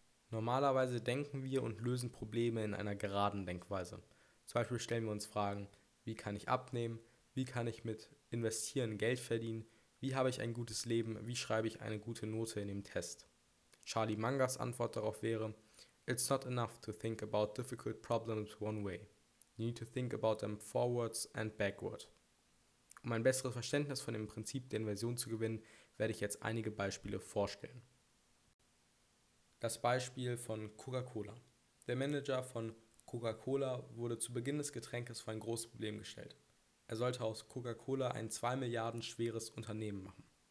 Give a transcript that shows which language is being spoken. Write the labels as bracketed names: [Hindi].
[German] Normalerweise denken wir und lösen Probleme in einer geraden Denkweise. Zum Beispiel stellen wir uns Fragen: Wie kann ich abnehmen? Wie kann ich mit Investieren Geld verdienen? Wie habe ich ein gutes Leben? Wie schreibe ich eine gute Note in dem Test? Charlie Mangas Antwort darauf wäre: [English] It's not enough to think about difficult problems one way. You need to think about them forwards and backward. [German] Um ein besseres Verständnis von dem Prinzip der Inversion zu gewinnen, werde ich jetzt einige Beispiele vorstellen. Das Beispiel von Coca-Cola. Der Manager von Coca-Cola wurde zu Beginn des Getränkes vor ein großes Problem gestellt. Er sollte aus Coca-Cola ein 2 Milliarden schweres Unternehmen machen.